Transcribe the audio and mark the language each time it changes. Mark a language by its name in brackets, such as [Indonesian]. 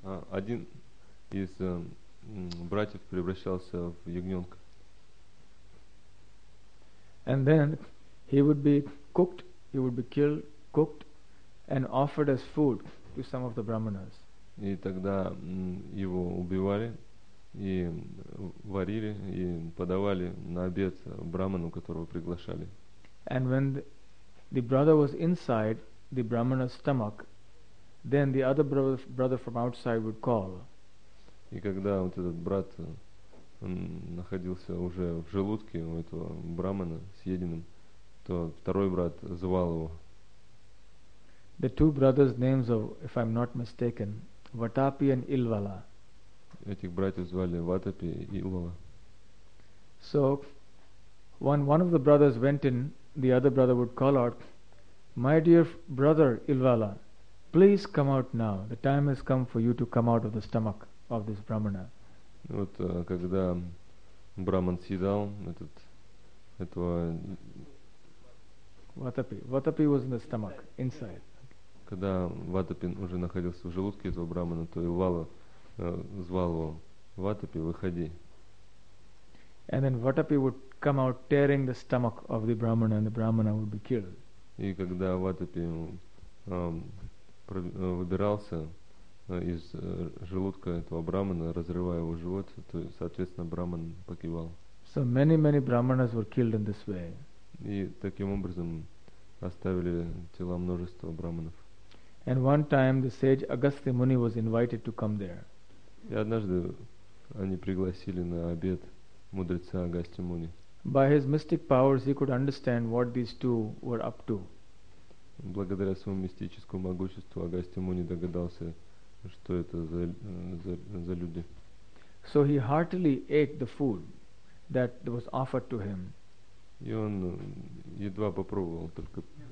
[Russian] Один из братьев превращался в ягненка. [English] And then he would be cooked, he would be killed, cooked, and offered as food to some of the brahmanas. [Russian] И тогда его убивали и варили и подавали на обед брахману, которого приглашали. [English] And when the brother was inside the brahmana's stomach, then the other brother from outside would call. [Russian] И когда вот этот брат находился уже в желудке у этого брахмана съеденным, то второй брат звал его. [English] The two brothers' names of, if I'm not mistaken, Vatapi and Ilvala. [Russian] Этих братьев звали Ватапи и Илвала. [English] So, when one of the brothers went in, the other brother would call out, "My dear brother Ilvala, please come out now. The time has come for you to come out of the stomach of this brahmana." [Russian] Вот когда брахман съедал этого [English] Ватапи was in the stomach, inside. [Russian] Когда Ватапи уже находился в желудке этого брахмана, то Илвала звал его: "Ватапи, выходи." [English] And then Ватапи would come out tearing the stomach of the brahmana, and the brahmana would be killed. [Russian] И когда Ватапи выбирался из желудка этого брахмана, разрывая его живот, то, соответственно, брахман погибал. [English] So many brahmanas were killed in this way. [Russian] И таким образом оставили тела множества брахманов. [English] And one time the sage Agastya Muni was invited to come there. [Russian] И однажды они пригласили на обед мудреца Агастья Муни. [English] By his mystic powers, he could understand what these two were up to. [Russian] Благодаря своему мистическому могуществу, Агасти Муни догадался, что это за люди. [English] So he heartily ate the food that was offered to him. [Russian] И он едва попробовал только.